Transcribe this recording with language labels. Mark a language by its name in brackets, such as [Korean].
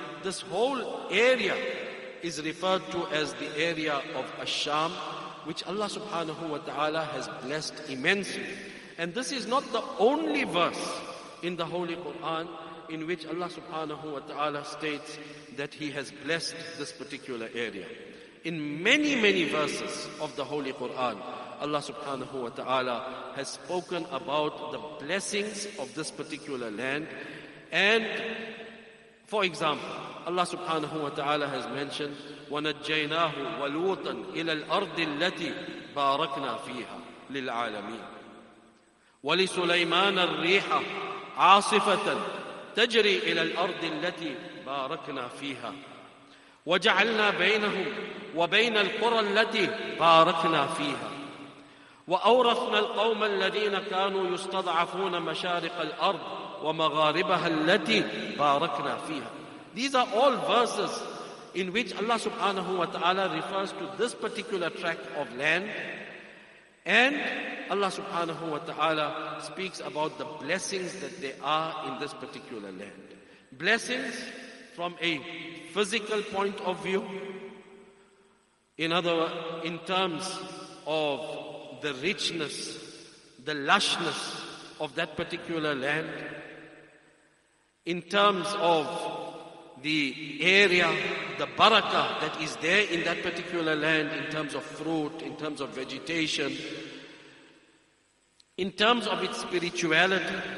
[English] This whole area is referred to as the area of Ash-Sham, which Allah subhanahu wa ta'ala has blessed immensely. And this is not the only verse in the Holy Quran in which Allah subhanahu wa ta'ala states that He has blessed this particular area. In many, many verses of the Holy Quran, Allah subhanahu wa ta'ala has spoken about the blessings of this particular land. And for example, Allah subhanahu wa ta'ala has mentioned, [Arabic] وَنَجَّيْنَاهُ وَلُوطًا إِلَى الْأَرْضِ الَّتِي بَارَكْنَا فِيهَا لِلْعَالَمِينَ وَلِسُلَيْمَانَ الرِّيحَ عَاصِفَةً تَجْرِي إِلَى الْأَرْضِ الَّتِي بَارَكْنَا فِيهَا وَجَعَلْنَا بَيْنَهُمْ وَبَيْنَ الْقُرَى الَّتِي بَارَكْنَا فِيهَا وَأَوْرَثْنَا الْقَوْمَ الَّذِينَ كَانُوا يُسْتَضْعَفُونَ مَشَارِقَ الْأَرْضِ وَمَغَارِبَهَا الَّتِي بَارَكْنَا فِيهَا. [English] These are all verses in which Allah subhanahu wa ta'ala refers to this particular tract of land, and Allah subhanahu wa ta'ala speaks about the blessings that there are in this particular land. Blessings from a physical point of view, in other words, in terms of the richness, the lushness of that particular land, in terms of the area, the barakah that is there in that particular land, in terms of fruit, in terms of vegetation, in terms of its spirituality.